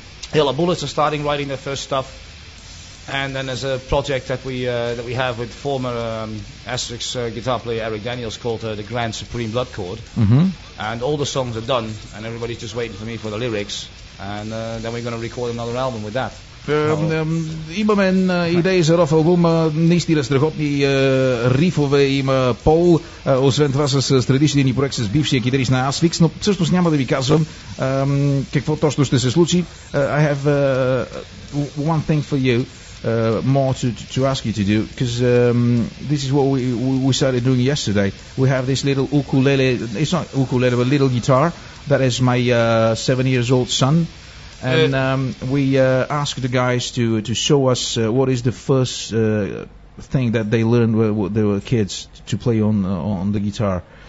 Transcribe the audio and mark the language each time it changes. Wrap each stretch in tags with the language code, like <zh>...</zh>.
<en>Hilla Bullets are starting writing their first stuff. And then there's a project that we have with former Asterix guitar player Eric Daniels called the Grand Supreme Blood Chord. Mm-hmm. And all the songs are done, and everybody's just waiting for me for the lyrics. And then we're going to record another album with that.</en> <bg>Имаме идеи за нов албум, наистина страхотни рифове има Пол, освен това с традичния ни проект с бившия китарист на Asphyx, но всъщност няма да ви казвам какво точно ще се случи.</bg> <en>I have one thing for you. More to ask you to do, because this is what we started doing yesterday. We have this little ukulele. It's not ukulele, but a little guitar that is my 7 years old son, and we asked the guys to show us what is the first thing that they learned when they were kids to play on the guitar.</en>